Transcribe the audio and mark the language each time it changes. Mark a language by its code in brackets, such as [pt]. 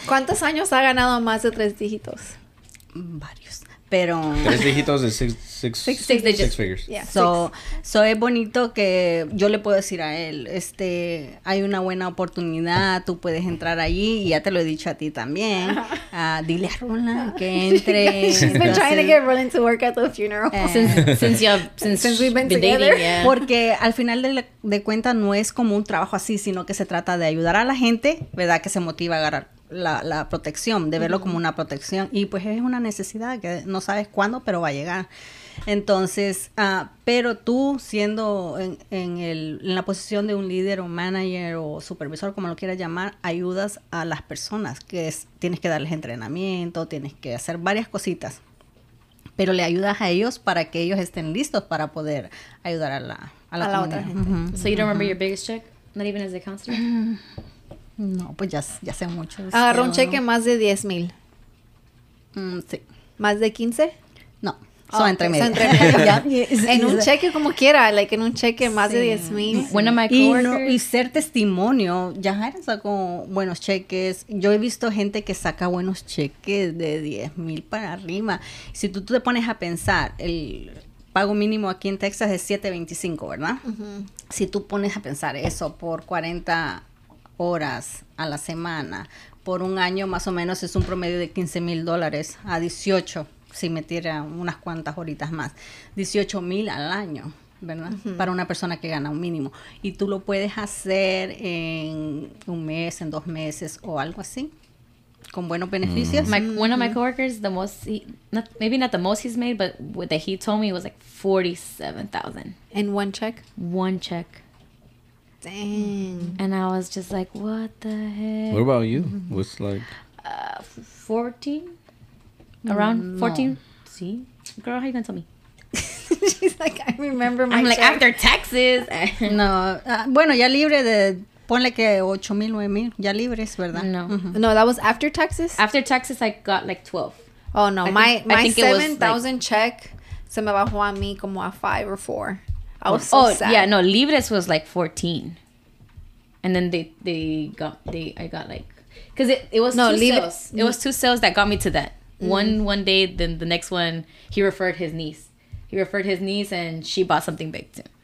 [es] ¿cuántos años ha ganado más de 3 dígitos? Varios, pero 3 dígitos de [en] six figures. Yeah, so [es] es bonito que yo le puedo decir a él, hay una buena oportunidad, tú puedes entrar allí, y ya te lo he dicho a ti también. Dile a Roland que entre. [en] She's been trying to get Roland to work at the funeral since we've been together. Dating, yeah. [es] Porque al final de cuenta no es como un trabajo así, sino que se trata de ayudar a la gente, ¿verdad? Que se motiva a agarrar la protección, de verlo como una protección, y pues es una necesidad que no sabes cuándo, pero va a llegar. Entonces, pero tú siendo en la posición de un líder o manager o supervisor, como lo quieras llamar, ayudas a las personas, que es, tienes que darles entrenamiento, tienes que hacer varias cositas, pero le ayudas a ellos para que ellos estén listos para poder ayudar a la otra gente. Mm-hmm. [en] So you don't remember your biggest check, not even as a counselor? [es] No, pues ya sé mucho. Agarró un cheque más de 10 mil. Sí. ¿Más de 15? No. Son entre medio. En un cheque como quiera, [en] like [es] en un cheque más de 10 mil. Bueno, [en] my coworkers. [es] Y ser testimonio. Yajaira sacó buenos cheques. Yo he visto gente que saca buenos cheques de 10 mil para arriba. Si tú te pones a pensar, el pago mínimo aquí en Texas es 7.25, ¿verdad? Uh-huh. Si tú pones a pensar eso por 40 horas a la semana, por un año más o menos es un promedio de $15,000 a 18, si metiera unas cuantas horitas más, 18,000 al año, ¿verdad? Uh-huh. Para una persona que gana un mínimo, y tú lo puedes hacer en un mes, en 2 meses o algo así, con buenos beneficios. [en] One of my coworkers, the most, not the most he's made, but what he told me was like $47,000. In one check? One check. Dang. And I was just like, what the heck? What about you? What's like? 14? Around 14? No. See? Girl, how are you going to tell me? She's like, I remember my I'm like, after taxes. [es] No. Bueno, ya libre de... Ponle que 8,000, 9,000. Ya libres, ¿verdad? No. [en] Mm-hmm. No, that was after taxes? After taxes, I got like 12. Oh, no. My 7,000 like, check [es] se me bajó a mí como a 5 [en] or [es] 4. [en] Sad. Yeah, no, [es] Libres [en] was like 14. And then I got like, because it was no, two sales. It was two sales that got me to that. Mm-hmm. One day, then the next one, he referred his niece. He referred his niece and she bought something big too.